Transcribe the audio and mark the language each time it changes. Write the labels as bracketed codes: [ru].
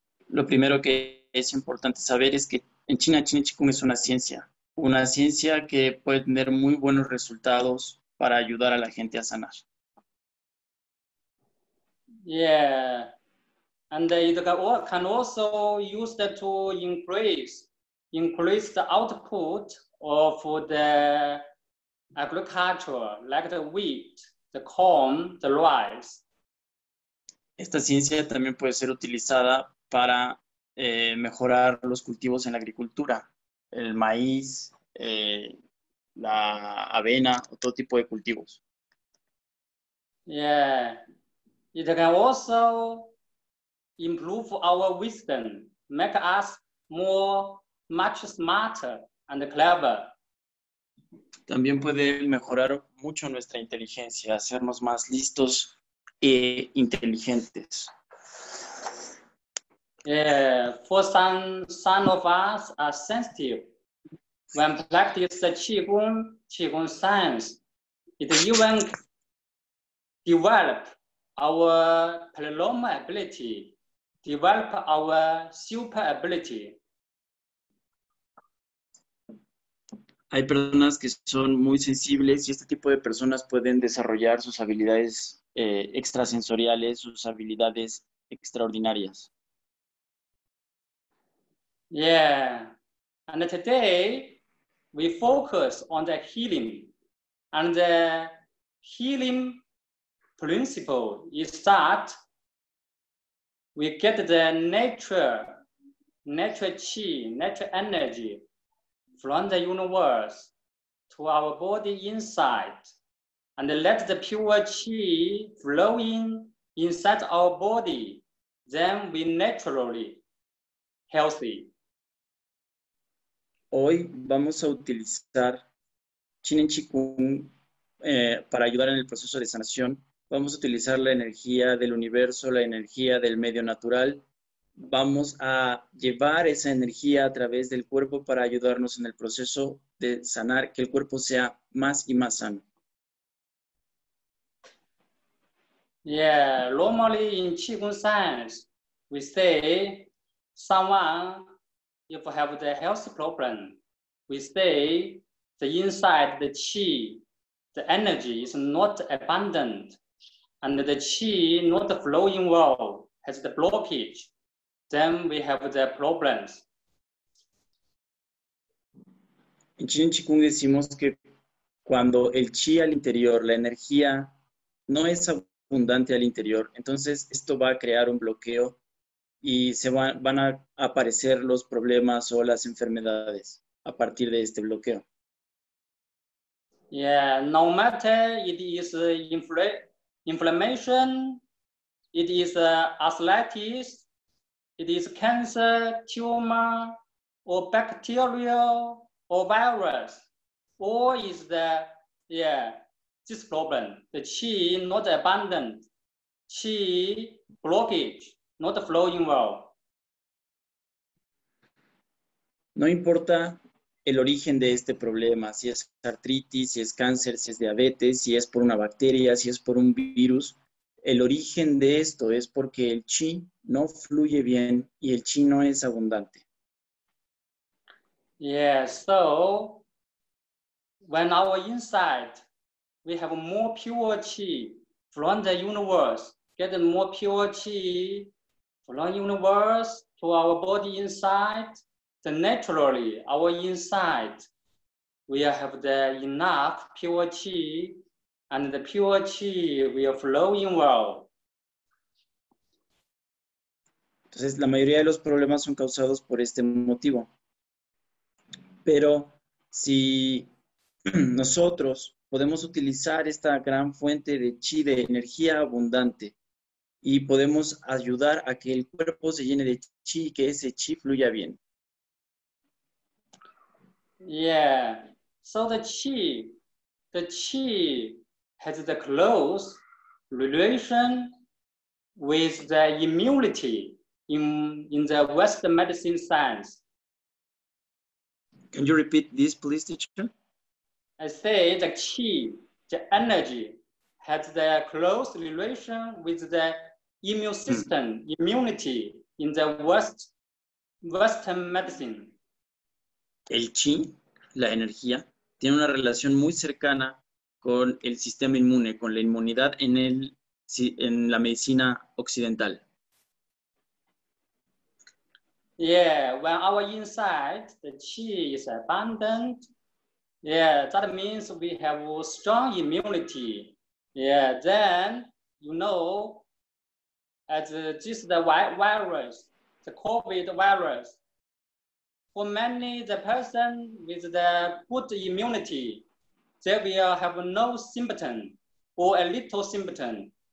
[es] Lo primero que es importante saber es que en China, Jin y Qigong es una ciencia que puede tener muy buenos resultados para ayudar a la gente a sanar. [en] Yeah, and it can also used to increase the output of the agriculture, like the wheat, the corn, the rice. [es] Esta ciencia también puede ser utilizada para mejorar los cultivos en la agricultura, el maíz, la avena, otro tipo de cultivos. [en] Yeah. It can also improve our wisdom, make us much smarter and clever. [es] También puede mejorar mucho nuestra inteligencia, hacernos más listos e inteligentes. [en] Yeah, for some of us are sensitive. When practice the Qigong science, it even develop our paranormal ability, develop our super ability. [es] Hay personas que son muy sensibles y este tipo de personas pueden desarrollar sus habilidades extrasensoriales, sus habilidades extraordinarias. [en] Yeah, and today we focus on the healing and the healing principle is that we get the natural chi, natural energy from the universe to our body inside and let the pure chi flow inside our body, then we naturally healthy. [es] Hoy vamos a utilizar Jin and Qigong para ayudar en el proceso de sanación. Vamos a utilizar la energía del universo, la energía del medio natural. Vamos a llevar esa energía a través del cuerpo para ayudarnos en el proceso de sanar, que el cuerpo sea más y más sano. [en] Yeah, normally in Qigong science, we say someone, if have the health problem, we say the inside, the qi, the energy is not abundant. And the qi, not the flowing well, has the blockage, then we have the problems. [es] En Jin and Qigong decimos que cuando el qi al interior, la energía, no es abundante al interior, entonces esto va a crear un bloqueo y se van a aparecer los problemas o las enfermedades a partir de este bloqueo. [en] Yeah, no matter it is inflammation, it is arthritis, it is cancer, tumor, or bacteria, or virus, or is the, this problem, the qi not abundant, qi blockage, not flowing well. [es] No importa el origen de este problema, si es artritis, si es cáncer, si es diabetes, si es por una bacteria, si es por un virus. El origen de esto es porque el chi no fluye bien y el chi no es abundante. [en] Yes, so when our inside we have more pure chi from the universe, get more pure chi from the universe to our body inside, then naturally, our inside, we have the enough pure qi, and the pure qi will flow in well. [es] Entonces, la mayoría de los problemas son causados por este motivo. Pero si nosotros podemos utilizar esta gran fuente de chi, de energía abundante, y podemos ayudar a que el cuerpo se llene de chi y que ese chi fluya bien. [en] Yeah, so the chi has the close relation with the immunity in the Western medicine science. Can you repeat this, please, teacher? I say the chi, the energy, has the close relation with the immune system, immunity in the Western medicine. [es] El chi, la energía, tiene una relación muy cercana con el sistema inmune, con la inmunidad en la medicina occidental. [en] Yeah, when our inside, the chi is abundant, yeah, that means we have a strong immunity. Yeah, then, you know, as just the virus, the COVID virus, for many the person with the good immunity, they will have no symptom or a little symptom.